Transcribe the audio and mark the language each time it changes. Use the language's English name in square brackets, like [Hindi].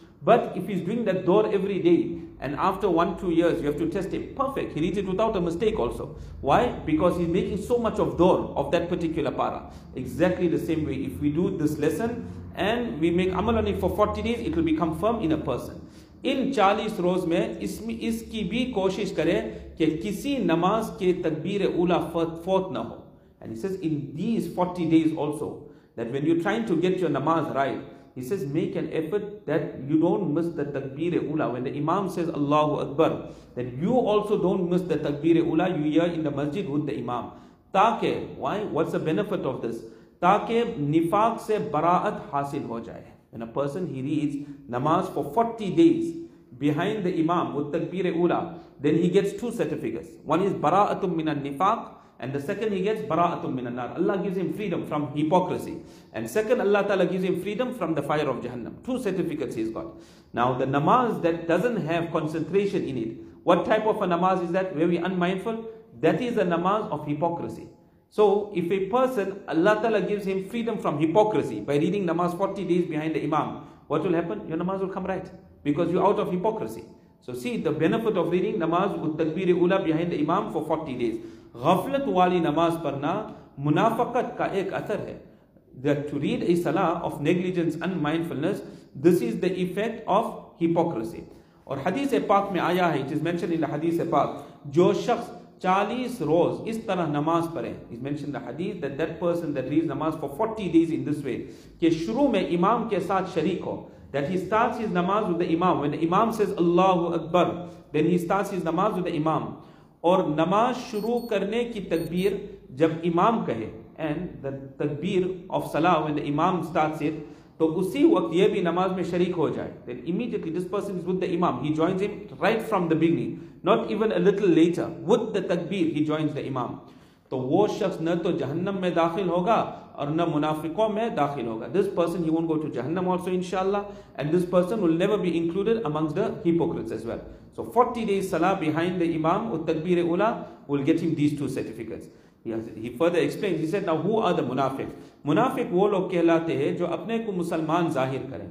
[English] But if he's doing that door every day, and after 1-2 years, you have to test him. Perfect. He reads it without a mistake also. Why? Because he's making so much of door of that particular para. Exactly the same way. If we do this lesson, and we make amal on it for 40 days, it will become firm in a person. [Urdu] ان 40 روز میں اس کی بھی کوشش کریں کہ کسی نماز کے تکبیر اولا فوت نہ ہو. [English] And he says in these 40 days also that when you're trying to get your namaz right, he says make an effort that you don't miss the takbir ula. When the imam says Allahu Akbar, then you also don't miss the takbir ula. You are in the masjid with the imam. Taake, why? What's the benefit of this? [Urdu] Taake nifaq se bara'at hasil ho jaye. [English] When a person he reads namaz for 40 days behind the imam with takbir ula, then he gets two certificates. One is bara'atum minan nifaq. And the second he gets, bara'atum minan nar. Allah gives him freedom from hypocrisy. And second, Allah Ta'ala gives him freedom from the fire of Jahannam. Two certificates he's got. Now the namaz that doesn't have concentration in it, what type of a namaz is that? Where we unmindful? That is a namaz of hypocrisy. So if a person, Allah Ta'ala gives him freedom from hypocrisy by reading namaz 40 days behind the imam, what will happen? Your namaz will come right. Because you're out of hypocrisy. So see the benefit of reading namaz with takbir-e-ula behind the imam for 40 days. [Urdu] غفلت والی نماز پڑھنا منافقت کا ایک اثر ہے. [English] That to read a salah of negligence and mindfulness, this is the effect of hypocrisy. [Urdu] اور حدیث پاک میں آیا ہے, [English] it is mentioned in the حدیث پاک, [Urdu] جو شخص 40 روز اس طرح نماز پڑھے, [English] is mentioned in the حدیث that that person that reads namaz for 40 days in this way, [Urdu] کہ شروع میں امام کے ساتھ شریک ہو, [English] that he starts his namaz with the imam, when the imam says Allahu Akbar, then he starts his namaz with the imam, [Urdu] اور نماز شروع کرنے کی تکبیر جب امام کہے, [English] and the تکبیر of salah when the imam starts it, [Urdu] تو اسی وقت یہ بھی نماز میں شریک ہو جائے. [English] Then immediately this person is with the imam, he joins him right from the beginning, not even a little later, with the تکبیر he joins the imam. [Urdu] تو وہ شخص نہ تو جہنم میں داخل ہوگا اور نہ منافقوں میں داخل ہوگا. [English] This person he won't go to jahannam also inshallah, and this person will never be included amongst the hypocrites as well. So 40 days salah behind the imam with takbir ula will get him these two certificates. He further explains, he said, now who are the munafiq? [Urdu] Munafiq wo log kehlate hai jo apne ko musalman zahir kare.